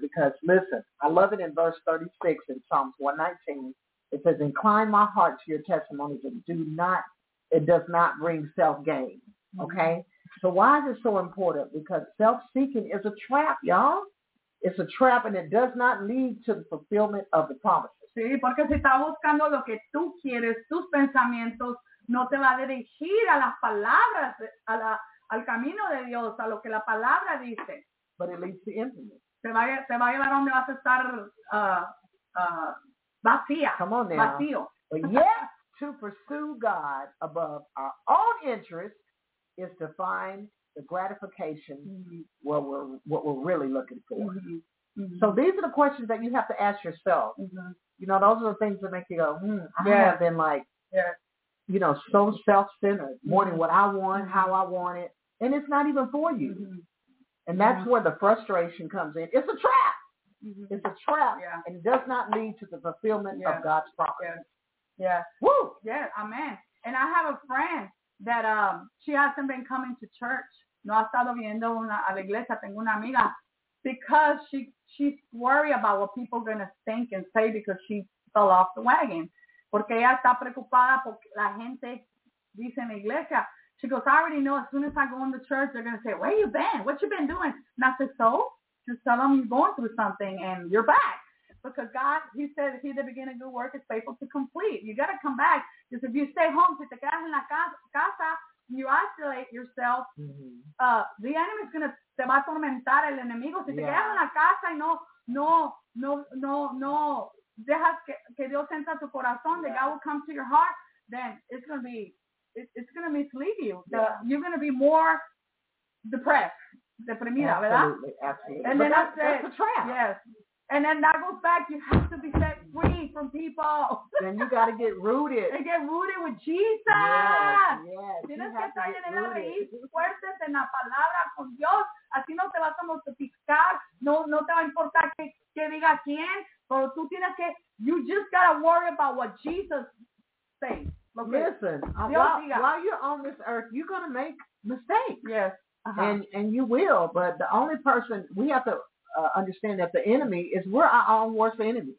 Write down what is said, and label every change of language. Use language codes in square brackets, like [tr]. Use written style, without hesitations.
[en] Because listen, I love it in verse 36 in Psalms 119. It says, incline my heart to your testimonies and it does not bring self-gain. Mm-hmm. Okay? So why is it so important? Because self-seeking is a trap, y'all. It's a trap, and it does not lead to the fulfillment of the promise. [es] Sí, porque si estás buscando lo que tú quieres, tus pensamientos, no te va a dirigir a las palabras, al camino de Dios, a lo que la palabra dice. [en] But it leads to emptiness. [es] se va a llevar donde vas a estar vacía. [en] Come on now. [es] Vacío. [en] But yet, to pursue God above our own interest is to find the gratification what we're really looking for. Mm-hmm. Mm-hmm. So these are the questions that you have to ask yourself. Mm-hmm. You know, those are the things that make you go, I have been like, you know, so self-centered, wanting what I want, how I want it, and it's not even for you. Mm-hmm. And that's where the frustration comes in. It's a trap. Mm-hmm. It's a trap. Yeah. And it does not lead to the fulfillment of God's promise. Yeah. Yeah. Woo! Yeah, amen. And I have a friend that she hasn't been coming to church. [es] No ha estado viendo a la iglesia. Tengo una amiga. [en] Because she's worried about what people are going to think and say because she fell off the wagon. [es] Porque ella está preocupada porque la gente dice en la iglesia. [en] She goes, I already know as soon as I go into church, they're going to say, where you been? What you been doing? And I said, so? Just tell them you're going through something and you're back. Because God, he said, he that begin a good work is faithful to complete. You got to come back. Because if you stay home, [es] si te quedas en la casa, [en] you isolate yourself, the enemy's going to, [es] te va a atormentar el enemigo. Si te quedas en la casa y no, dejas que Dios entra a tu corazón, [en] that God will come to your heart, then it's going to be, it's going to mislead you. You're going to be more depressed. [es] Deprimida, [en] absolutely, [es] ¿verdad? [en] Absolutely. And but then that's it. That's a trap. Yes. And then that goes back. You have to be set free from people. Then you got to get rooted. And get rooted with Jesus. Yes. [es] Tienes que estar en la raíz fuerte en la palabra con Dios. Así no te vas a mortificar. No te va a importar que diga quién. Pero tú tienes que, [en] you just got to worry about what Jesus says. Okay. Listen, while you're on this earth, you're going to make mistakes. Yes. Uh-huh. And you will, but the only person we have to understand that the enemy is we're our own worst enemy.